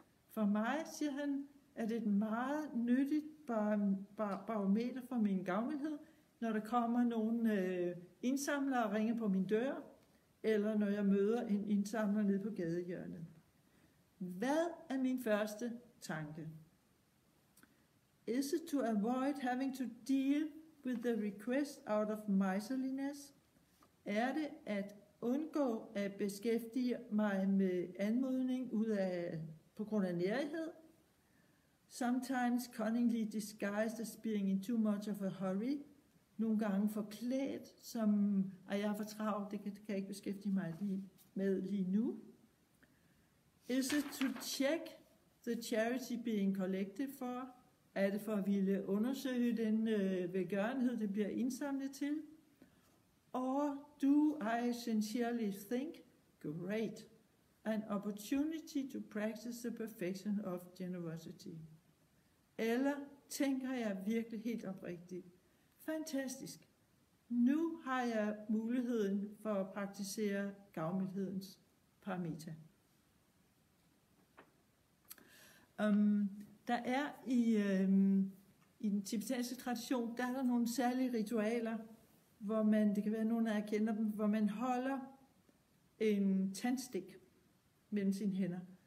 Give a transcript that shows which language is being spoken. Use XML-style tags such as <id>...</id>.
<da>For mig, siger han, er det et meget nyttigt barometer for min gavmildhed, når der kommer nogen indsamlere og ringer på min dør, eller når jeg møder en indsamler nede på gadehjørnet. Hvad er min første tanke?</da> <en>Is it to avoid having to deal with the request out of miserliness?</en> <da>Er det at undgå at beskæftige mig med anmodning ud af, på grund af nærighed?</da> <en>Sometimes cunningly disguised as being in too much of a hurry.</en> <da>Nogle gange forklædt, som at jeg er for travlt, det kan jeg ikke beskæftige mig med lige nu.</da> <en>Is it to check the charity being collected for?</en> <da>Er det for at ville undersøge den velgørenhed, det bliver indsamlet til?</da> <en>Or do I sincerely think, great, an opportunity to practice the perfection of generosity?</en> <da>Eller tænker jeg virkelig helt oprigtigt? Fantastisk. Nu har jeg muligheden for at praktisere gavmildhedens paramita. Der er i den tibetanske tradition, der er der nogle særlige ritualer, hvor man, det kan være nogen af jer kender dem, hvor man holder en tandstik mellem sine hænder.</da>